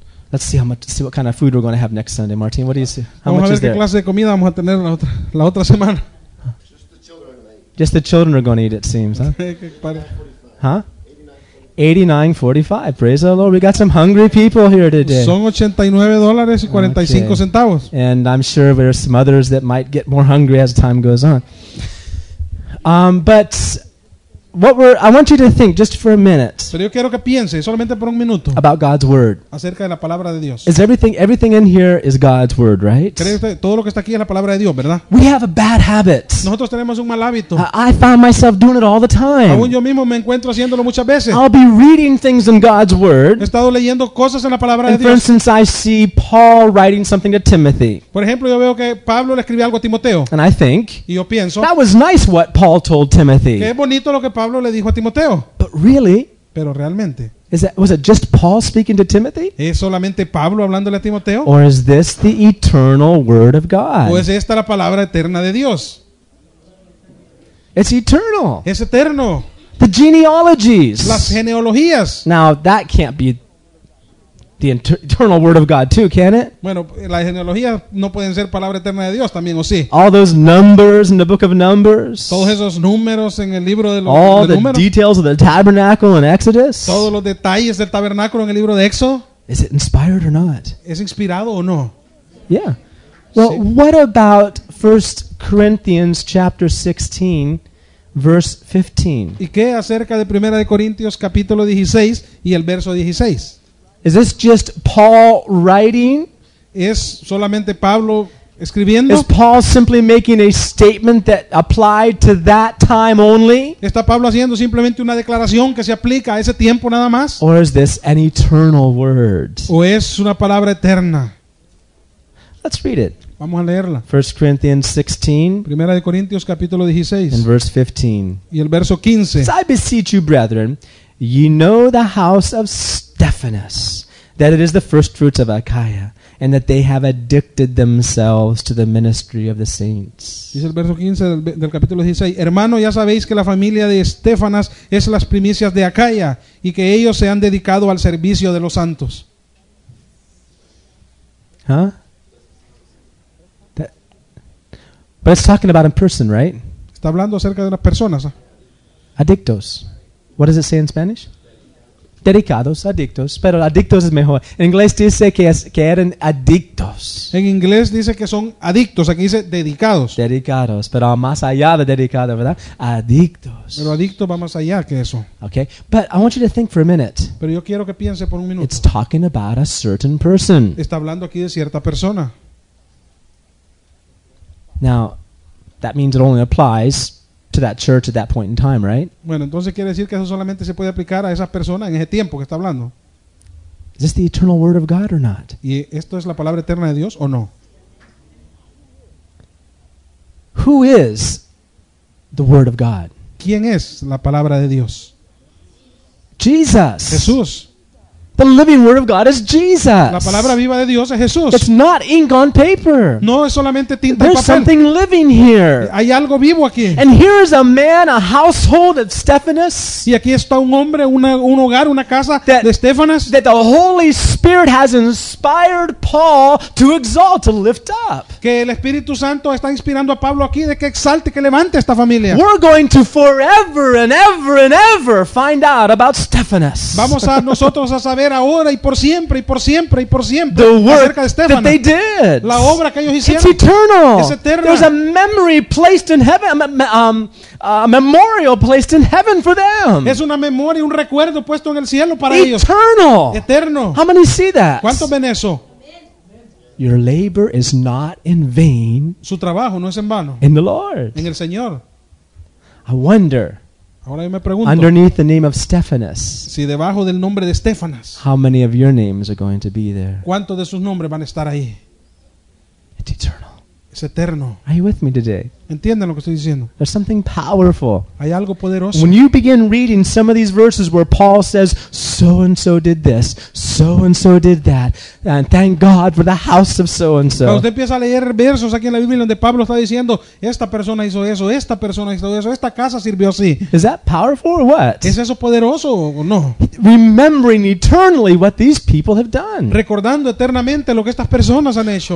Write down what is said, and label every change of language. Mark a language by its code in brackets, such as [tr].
[en] Let's see see what kind of food we're going to have next Sunday, Martin. What do you see? How [es] vamos a ver [en] is [es] qué [en] there? [es] Clase de comida vamos a tener la otra semana. [en] Just the children are going to eat, it seems, huh? 89.45. Praise the Lord. We got some hungry people here today. [es] Son $89.45. [en] Okay. And I'm sure there are some others that might get more hungry as time goes on. But I want you to think just for a minute. [es] Pero yo quiero que piense, solamente por un minuto. [en] About God's word. [es] Acerca de la palabra de Dios. [en] Is everything in here is God's word, right? [es] ¿Cree usted, todo lo que está aquí es la palabra de Dios, verdad? [en] We have a bad habit. [es] Nosotros tenemos un mal hábito. [en] I find myself doing it all the time. [es] Aún yo mismo me encuentro haciéndolo muchas veces. [en] I'll be reading things in God's word. [es] He estado leyendo cosas en la palabra de Dios. [en] For instance, I see Paul writing something to Timothy. [es] Por ejemplo, yo veo que Pablo le escribe algo a Timoteo. [en] And I think. [es] Y yo pienso. [en] That was nice what Paul told Timothy. [es] Qué bonito lo que Pablo le dijo a Timoteo. [en] But really? [es] Pero realmente. [en] Was it just Paul speaking to Timothy? [es] ¿Es solamente Pablo hablándole a Timoteo? [en] Or is this the eternal word of God? [es] ¿O es esta la palabra eterna de Dios? [en] It's eternal. [es] Es eterno. [en] The genealogies. [es] Las genealogías. [en] Now that can't be the eternal word of God too, can it? [es] Bueno, las genealogías no pueden ser palabra eterna de Dios también, ¿o sí? [en] All those numbers in the book of Numbers. [es] Todos esos números en el libro de los [en] All [es] de [en] the [es] números. [en] Details of the tabernacle in Exodus. [es] Todos los detalles del tabernáculo en el libro de Éxodo. [en] Is it inspired or not? [es] ¿Es inspirado o no? [en] Yeah. Well, sí. What about 1 Corinthians chapter 16? Verse 15. [es] ¿Y qué acerca de Primera de Corintios capítulo 16 y el verso 16? [en] Is this just Paul writing? [es] ¿Es solamente Pablo escribiendo? [en] Is Paul simply making a statement that applied to that time only? [es] ¿Está Pablo haciendo simplemente una declaración que se aplica a ese tiempo nada más? [en] Or is this an eternal word? [es] ¿O es una palabra eterna? [en] Let's read it. [es] Vamos a leerla. [en] 1 Corinthians 16. [es] Primera de Corintios capítulo 16. [en] And verse 15. [es] Y el verso 15. [en] So I beseech you, brethren, ye know the house of Stephanas, that it is the first fruits of Achaia, and that they have addicted themselves to the ministry of the saints. [es] Dice el verso 15 del capítulo 16. Hermano, ya sabéis que la familia de Estefanas es las primicias de Achaia, y que ellos se han dedicado al servicio de los santos. ¿Huh? [en] But it's talking about a person, right? [es] Está hablando acerca de las personas. [en] Adictos. What does it say in Spanish? [es] Dedicados, adictos. Pero adictos es mejor. En inglés dice que eran adictos. En inglés dice que son adictos. Aquí dice dedicados. Dedicados. Pero más allá de dedicado, ¿verdad? Adictos. Pero adicto va más allá que eso. [en] Okay. But I want you to think for a minute. [es] Pero yo quiero que piense por un minuto. [en] It's talking about a certain person. [es] Está hablando aquí de cierta persona. [en] Now, that means it only applies to that church at that point in time, right? [es] Bueno, entonces quiere decir que eso solamente se puede aplicar a esas personas en ese tiempo que está hablando. [en] Is this the eternal word of God or not? [es] ¿Y esto es la palabra eterna de Dios o no? [en] Who is the word of God? [es] ¿Quién es la palabra de Dios? [en] Jesus. [es] Jesús. [en] The living word of God is Jesus. [es] La palabra viva de Dios es Jesús. [en] It's not ink on paper. [es] No es solamente tinta. [en] There's [es] papel. [en] Something living here. [es] Hay algo vivo aquí. [en] And here is a man, a household of Stephanas. [es] Y aquí está un hombre, un hogar, una casa de Stephanas. [en] That the Holy Spirit has inspired Paul to exalt, to lift up. [es] Que el Espíritu Santo está inspirando a Pablo aquí de que exalte, que levante esta familia. [en] We're going to forever and ever and ever find out about Stephanas. [es] Vamos a nosotros a saber ahora y por siempre y por siempre y por siempre acerca de Estefano. [en] That they did. [es] La obra que ellos hicieron. [en] It's eternal. [es] Es eterna. [en] There's a memory placed in heaven, a memorial placed in heaven for them. [es] Es una memoria, un recuerdo puesto en el cielo para [en] eternal. [es] Ellos. [en] Eternal. [es] Eterno. [en] How many see that? [es] ¿Cuántos ven eso? [en] Your labor is not in vain. [es] Su trabajo no es en vano. [en] In the Lord. [es] En el Señor. [en] I wonder. [es] Ahora yo me pregunto, [en] underneath the name of Stephanas, [es] si debajo del nombre de Stephanas, [en] how many of your names are going to be there? [es] ¿Cuántos de sus nombres van a estar ahí? [en] It's eternal. [es] Es eterno. [en] Are you with me today? [es] ¿Entienden lo que estoy diciendo? [en] There's something powerful. [es] Hay algo poderoso. [en] When you begin reading some of these verses where Paul says, so and so did this, so and so did that, and thank God for the house of so and so. [es] Cuando usted empieza a leer versos aquí en la Biblia donde Pablo está diciendo, esta persona hizo eso, esta persona hizo eso, esta casa sirvió así. [en] Is that powerful or what? [es] ¿Es eso poderoso o no? [en] Remembering eternally what these people have done. [es] Recordando eternamente lo que estas personas han hecho.